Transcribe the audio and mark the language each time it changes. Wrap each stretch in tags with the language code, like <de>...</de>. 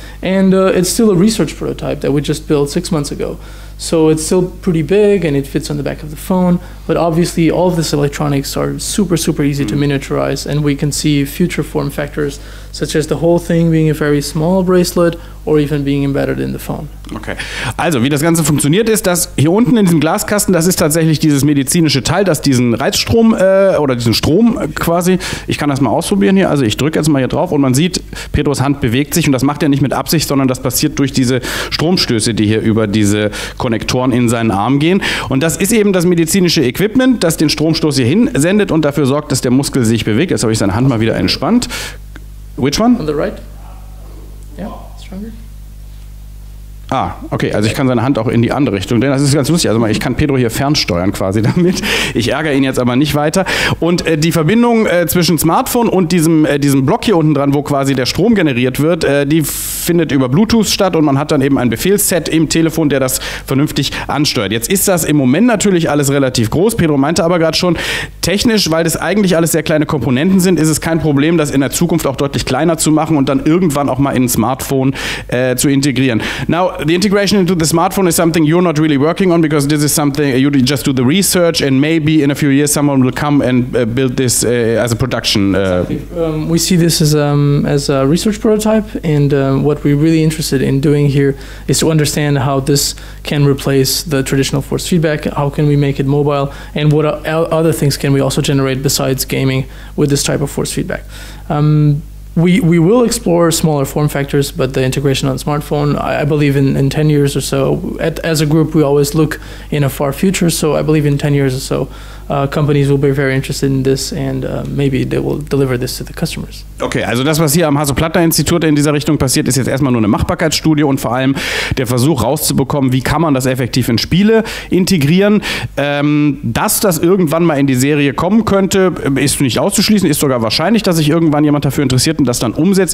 <en>And it's still a research prototype that we just built 6 months ago. So it's still pretty big and it fits on the back of the phone, but obviously all of this electronics are super, super easy to miniaturize, and we can see future form factors, such as the whole thing being a very small bracelet or even being embedded in the phone. Okay.</en> <de>Also, wie das Ganze funktioniert ist, dass hier unten in diesem Glaskasten, das ist tatsächlich dieses medizinische Teil, das diesen Reizstrom oder diesen Strom quasi, ich kann das mal ausprobieren hier, also ich drücke jetzt mal hier drauf und man sieht, Pedros Hand bewegt sich, und das macht er nicht mit Absicht, sondern das passiert durch diese Stromstöße, die hier über diese Konnektoren in seinen Arm gehen. Und das ist eben das medizinische Equipment, das den Stromstoß hier hinsendet und dafür sorgt, dass der Muskel sich bewegt. Jetzt habe ich seine Hand mal wieder entspannt.</de> <en>Which one? On the right. Yeah, stronger.</en> <de>Ah, okay, also ich kann seine Hand auch in die andere Richtung, denn das ist ganz lustig, also ich kann Pedro hier fernsteuern quasi damit, ich ärgere ihn jetzt aber nicht weiter und die Verbindung zwischen Smartphone und diesem Block hier unten dran, wo quasi der Strom generiert wird, die findet über Bluetooth statt und man hat dann eben ein Befehlsset im Telefon, der das vernünftig ansteuert. Jetzt ist das im Moment natürlich alles relativ groß, Pedro meinte aber gerade schon, technisch, weil das eigentlich alles sehr kleine Komponenten sind, ist es kein Problem, das in der Zukunft auch deutlich kleiner zu machen und dann irgendwann auch mal in ein Smartphone zu integrieren.</de> <en>Now, the integration into the smartphone is something you're not really working on because this is something you just do the research and maybe in a few years someone will come and build this as a production. We see this as a research prototype and what we're really interested in doing here is to understand how this can replace the traditional force feedback, how can we make it mobile and what other things can we also generate besides gaming with this type of force feedback. We will explore smaller form factors, but the integration on smartphone, I believe in 10 years or so, as a group, we always look in a far future, so I believe in 10 years or so, companies will be very interested in this and maybe they will deliver this to the customers.</en> <de>Okay, also das, was hier am Hasso-Plattner-Institut in dieser Richtung passiert, ist jetzt erstmal nur eine Machbarkeitsstudie und vor allem der Versuch rauszubekommen, wie kann man das effektiv in Spiele integrieren. Dass das irgendwann mal in die Serie kommen könnte, ist nicht auszuschließen, ist sogar wahrscheinlich, dass sich irgendwann jemand dafür interessiert und das dann umsetzt.</de>